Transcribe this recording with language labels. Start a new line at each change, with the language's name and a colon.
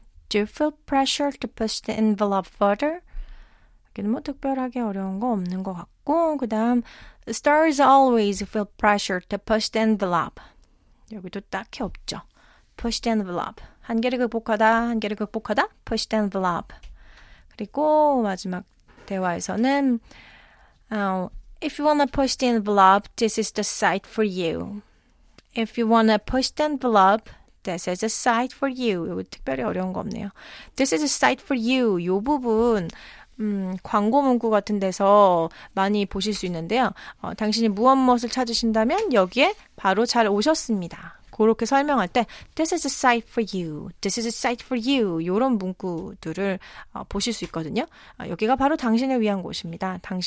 English: Do you feel pressure to push the envelope further?
Korean: 이게 뭐 특별하게 어려운 거 없는 것 같고, 그 다음,
English: stars always feel pressure to push the envelope.
Korean: 여기도 딱히 없죠.
English: Push the envelope.
Korean: 한계를 극복하다, 한계를 극복하다,
English: push the envelope.
Korean: 그리고 마지막 대화에서는,
English: if you want to push the envelope, this is the site for you. If you want to push the envelope, this is a site for you.
Korean: 이거 특별히 어려운 거 없네요.
English: This is a site for you.
Korean: 이 부분 광고 문구 같은 데서 많이 보실 수 있는데요. 당신이 무엇 무엇을 찾으신다면 여기에 바로 잘 오셨습니다. 그렇게 설명할 때
English: This is a site for you. This is a site for you.
Korean: 이런 문구들을 보실 수 있거든요. 여기가 바로 당신을 위한 곳입니다.